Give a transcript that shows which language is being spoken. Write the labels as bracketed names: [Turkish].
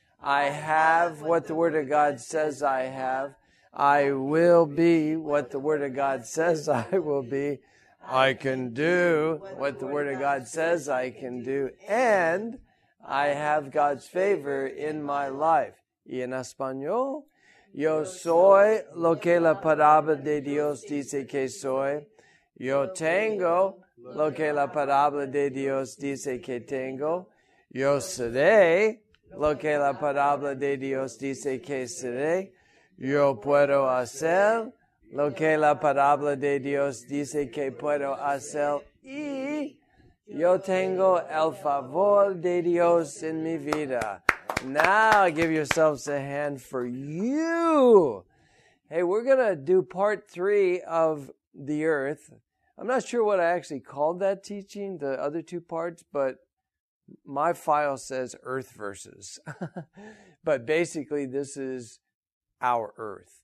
[English] I have what the Word of God says I have. I will be what the Word of God says I will be. I can do what the Word of God says I can do. And I have God's favor in my life. [Spanish] Y en español, yo soy lo que la palabra de Dios dice que soy. Yo tengo lo que la palabra de Dios dice que tengo. Yo seré lo que la palabra de Dios dice que seré. Yo puedo hacer lo que la palabra de Dios dice que puedo hacer. Y yo tengo el favor de Dios en mi vida. [English] Now give yourselves a hand for you. Hey, we're going to do part three of The Earth. I'm not sure what I actually called that teaching, the other two parts, but my file says Earth Verses. But basically, this is Our Earth.